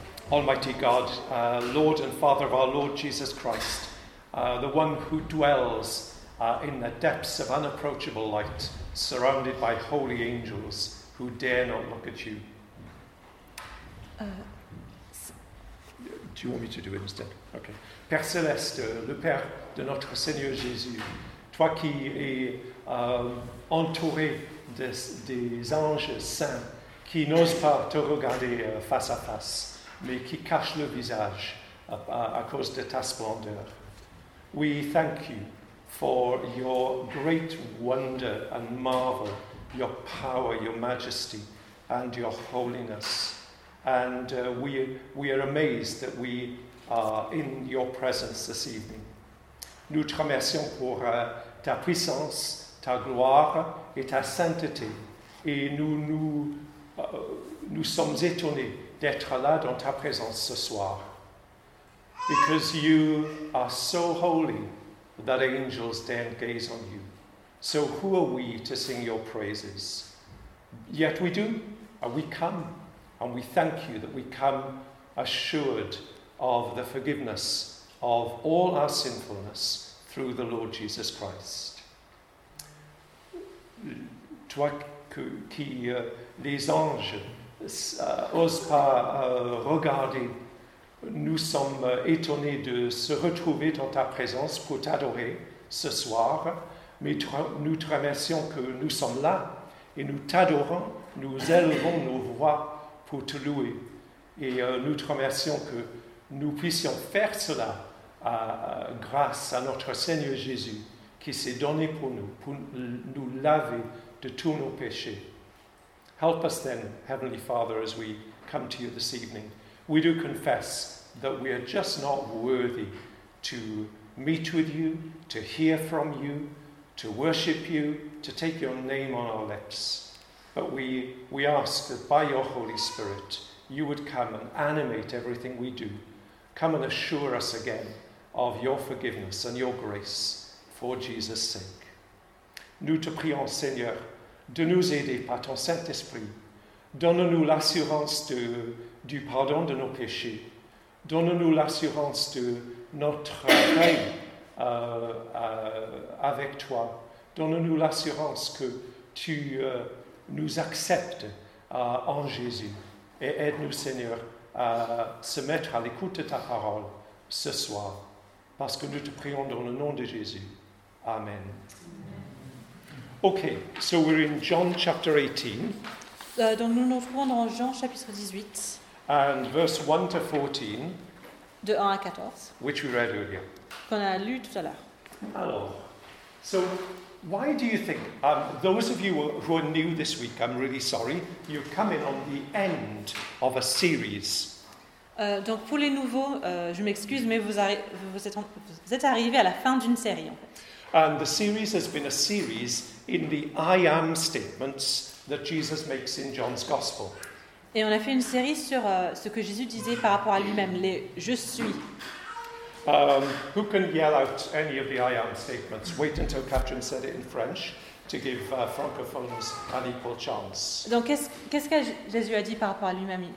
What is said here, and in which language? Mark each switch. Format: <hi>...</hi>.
<en>Almighty God, Lord and Father of our Lord Jesus Christ, the one who dwells in the depths of unapproachable light, surrounded by holy angels who dare not look at you. Do you want me to do it instead? Okay.</en> <fr>Père Céleste, le Père de notre Seigneur Jésus, toi qui es entouré des anges saints qui n'osent pas te regarder face à face, mais qui cachent le visage à cause de ta splendeur.</fr> <en>We thank you for your great wonder and marvel, your power, your majesty, and your holiness. And we are amazed that we are in your presence this evening.</en> <fr>Nous te remercions pour ta puissance, ta gloire et ta sainteté. Et nous sommes étonnés d'être là dans ta présence ce soir.</fr> <en>Because you are so holy that angels dare gaze on you. So who are we to sing your praises? Yet we do, and we come. And we thank you that we come assured of the forgiveness of all our sinfulness through the Lord Jesus Christ.</en> <fr>Toi qui les anges n'osent pas regarder, nous sommes étonnés de se retrouver dans ta présence pour t'adorer ce soir, mais nous te remercions que nous sommes là et nous t'adorons, nous élevons nos voix pour te louer. Et nous te remercions que nous puissions faire cela grâce à notre Seigneur Jésus qui s'est donné pour nous laver de tous nos péchés.</fr> <en>Help us then, Heavenly Father, as we come to you this evening. We do confess that we are just not worthy to meet with you, to hear from you, to worship you, to take your name on our lips. But we ask that by your Holy Spirit, you would come and animate everything we do. Come and assure us again of your forgiveness and your grace for Jesus' sake.</en> <fr>Nous te prions, Seigneur, de nous aider par ton Saint-Esprit. Donne-nous l'assurance du pardon de nos péchés. Donne-nous l'assurance de notre paix avec toi. Donne-nous l'assurance que tu nous acceptes en Jésus. Et aide-nous, Seigneur, à se mettre à l'écoute de ta parole ce soir. Parce que nous te prions dans le nom de Jésus.</fr> <en>Amen. Okay, so we're in John chapter 18.</en> <fr>Donc nous nous trouvons dans Jean chapitre 18.</fr> <en>And verse 1 to 14.</en> <fr>De 1 à 14.</fr> <en>Which we read earlier.</en> <fr>Qu'on a lu tout à l'heure.</fr> <en>Alors, so why do you think, those of you who are new this week, I'm really sorry, you've come in on the end of a series.</en> <fr>Donc pour les nouveaux, je m'excuse, mais vous êtes arrivés à la fin d'une série en fait.</fr> <en>And the series has been a series in the I am statements that Jesus makes in John's Gospel.</en> <fr>Et on a fait une série sur ce que Jésus disait par rapport à lui-même, les « je suis ».</fr> <en>Who can yell out any of the I am statements? Wait until Catherine said it in French to give francophones an equal chance.</en> <fr>Donc qu'est-ce que Jésus a dit par rapport à lui-même?</fr>